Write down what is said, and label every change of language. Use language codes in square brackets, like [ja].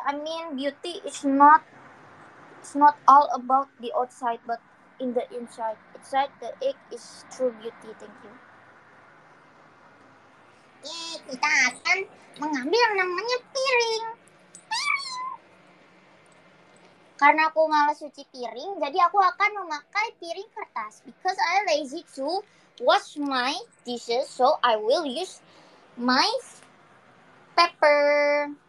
[en] I mean, beauty is not, it's not all about the outside, but in the inside. Inside the egg is true beauty. Thank you. [id] Oke, kita akan mengambil yang namanya piring. Piring. Karena aku malas cuci piring, jadi aku akan memakai piring kertas. [en] Because I lazy to wash my dishes, so I will use my paper.